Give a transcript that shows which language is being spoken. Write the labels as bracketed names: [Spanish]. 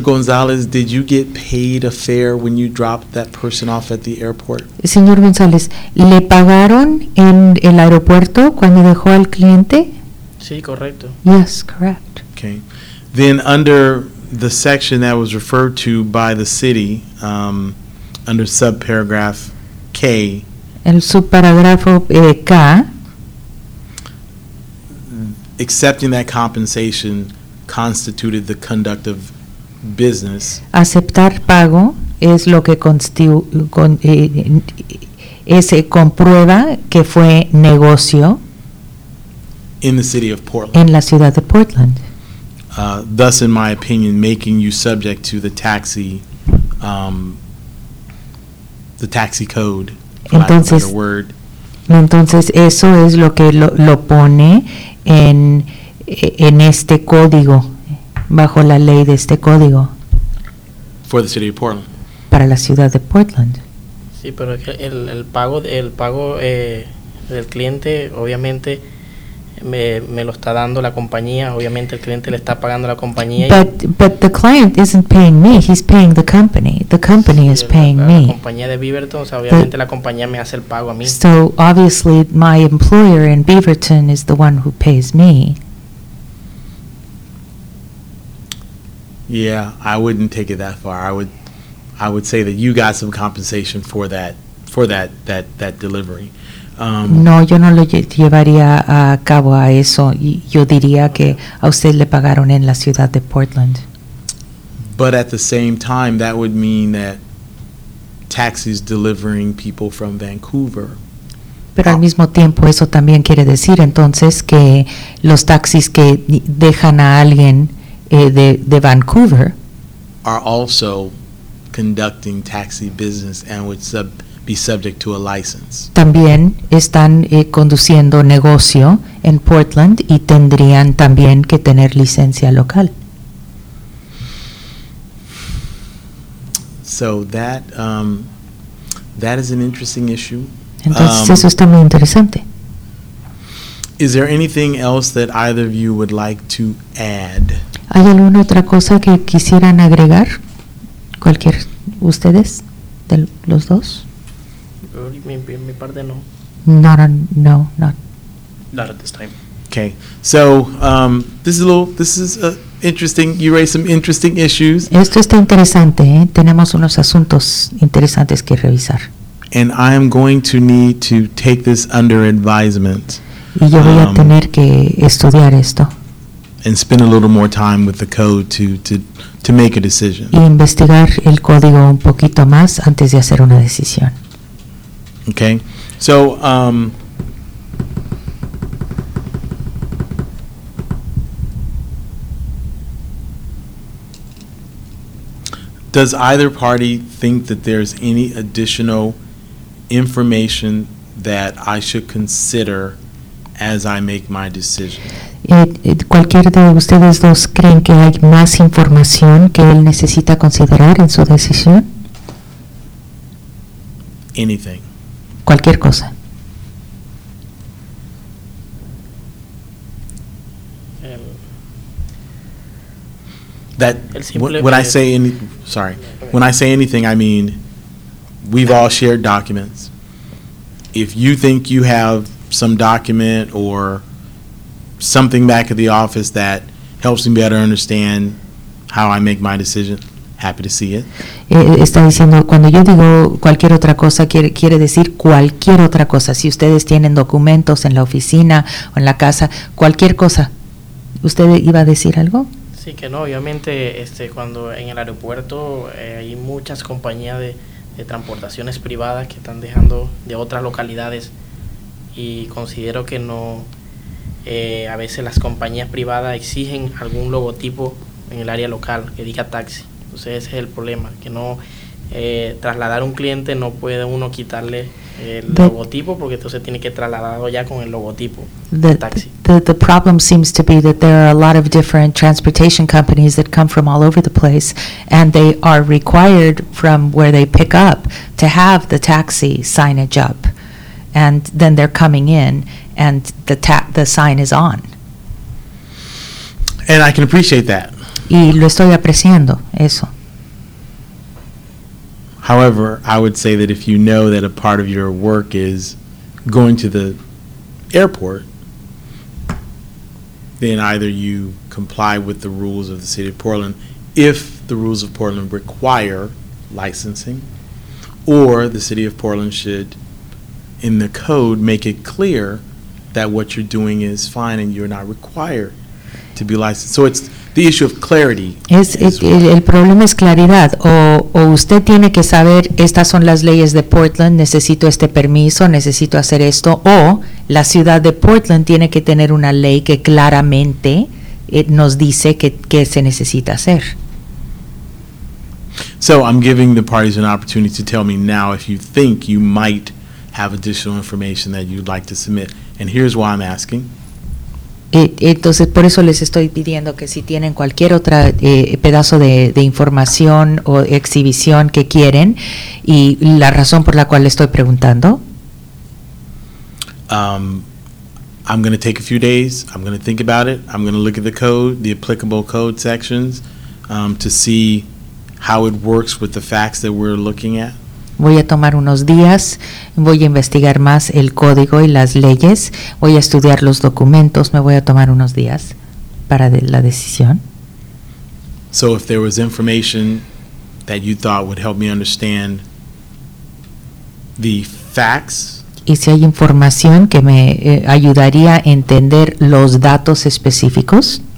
[English] González, did you get paid a fare when you dropped that person off at the airport? [Spanish] Señor González, ¿le pagaron en el aeropuerto cuando dejó al cliente? Sí, correcto. [English] Yes, correct. Okay. Then under the section that was referred to by the city, under subparagraph K. [Spanish] El subparagrafo K. [English] Accepting that compensation constituted the conduct of business. [Spanish] Aceptar pago es lo que comprueba que fue negocio. [English] In the city of Portland. [Spanish] En la ciudad de Portland. [English] Thus, in my opinion, making you subject to the taxi code. [Spanish] Entonces, [English] a word. [Spanish] Entonces eso es lo que lo pone en este código, bajo la ley de este código. [English] For the city of Portland. [Spanish] Para la ciudad de Portland. Sí, pero el pago del cliente, obviamente, me lo está dando la compañía. Obviamente, el cliente le está pagando a la compañía. [English] But the client isn't paying me. He's paying the company. The company [Spanish] sí, [English] is paying me. [Spanish] La compañía de Beaverton, o sea, obviamente la compañía me hace el pago a mí. [English] So obviously, my employer in Beaverton is the one who pays me. Yeah, I wouldn't take it that far. I would say that you got some compensation for that delivery. [Spanish] No, yo no lo llevaría a cabo a eso. Yo diría que a usted le pagaron en la ciudad de Portland. [English] But at the same time, that would mean that taxis delivering people from Vancouver. [Spanish] Pero al mismo tiempo, eso también quiere decir entonces que los taxis que dejan a alguien de Vancouver [English] are also conducting taxi business and would be subject to a license. [Spanish] También están conduciendo negocio en Portland y tendrían también que tener licencia local. [English] So that is an interesting issue. [Spanish] Entonces eso está muy interesante. [English] Is there anything else that either of you would like to add? [Spanish] ¿Hay alguna otra cosa que quisieran agregar? ¿Cualquier ustedes de los dos? Mi parte no. [English] Not at this time. Okay. So, this is interesting. You raised some interesting issues. [Spanish] Esto está interesante, ¿eh? Tenemos unos asuntos interesantes que revisar. [English] And I am going to need to take this under advisement. [Spanish] Y yo voy a tener que estudiar esto. [English] And spend a little more time with the code to make a decision. [Spanish] Y investigar el código un poquito más antes de hacer una decisión. [English] Okay. So, does either party think that there's any additional information that I should consider as I make my decision? [Spanish] ¿Cualquier de ustedes dos creen que hay más información que él necesita considerar en su decisión? [English] Anything. [Spanish] Cualquier cosa. [English] That when I say any, sorry, when I say anything, I mean we've all shared documents. If you think you have some document or something back at the office that helps me better understand how I make my decision. Happy to see it. [Spanish] Está diciendo, cuando yo digo cualquier otra cosa, quiere decir cualquier otra cosa. Si ustedes tienen documentos en la oficina o en la casa, cualquier cosa. ¿Usted iba a decir algo? Sí, que no, obviamente, cuando en el aeropuerto hay muchas compañías de transportaciones privadas que están dejando de otras localidades, y considero que no, a veces las compañías privadas exigen algún logotipo en el área local que diga taxi. Entonces ese es el problema, que no, trasladar un cliente no puede uno quitarle el logotipo, porque entonces tiene que trasladarlo ya con el logotipo de taxi. [English] The problem seems to be that there are a lot of different transportation companies that come from all over the place, and they are required from where they pick up to have the taxi signage up, and then they're coming in and the sign is on. And I can appreciate that. [Spanish] Y lo estoy apreciando, eso. [English] However, I would say that if you know that a part of your work is going to the airport, then either you comply with the rules of the city of Portland, if the rules of Portland require licensing, or the city of Portland should, in the code, make it clear that what you're doing is fine and you're not required to be licensed. So it's the issue of clarity. [Spanish] El problema es claridad. O usted tiene que saber, estas son las leyes de Portland, necesito este permiso, necesito hacer esto. O la ciudad de Portland tiene que tener una ley que claramente nos dice que se necesita hacer. [English] So I'm giving the parties an opportunity to tell me now if you think you might have additional information that you'd like to submit. And here's why I'm asking. [Spanish] Entonces, por eso les estoy pidiendo que si tienen cualquier otro pedazo de información o exhibición que quieren, y la razón por la cual le estoy preguntando. [English] I'm going to take a few days. I'm going to think about it. I'm going to look at the code, the applicable code sections, to see how it works with the facts that we're looking at. [Spanish] Voy a tomar unos días, voy a investigar más el código y las leyes, voy a estudiar los documentos, me voy a tomar unos días para la decisión. [English] So if there was information that you thought would help me understand the facts. [Spanish] Y si hay información que me ayudaría a entender los datos específicos.